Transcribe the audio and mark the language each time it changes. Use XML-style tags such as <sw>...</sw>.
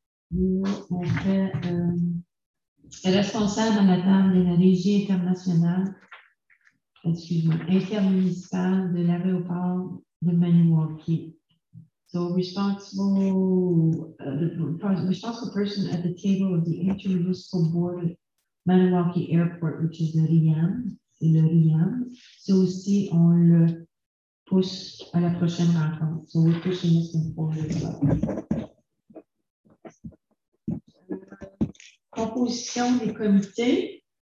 <fr>Yeah. On fait. Responsable dans la table de la régie internationale, intermunicipale de l'aéroport de Maniwaki.</fr> <en>So responsible person at the table of the intermunicipal board of Maniwaki Airport, which is the RIAM.</en> <fr>C'est le RIAM. So aussi, on le pousse à la prochaine rencontre.</fr> <en>So we're pushing this one forward.</en> <fr>Composition des comités.</fr>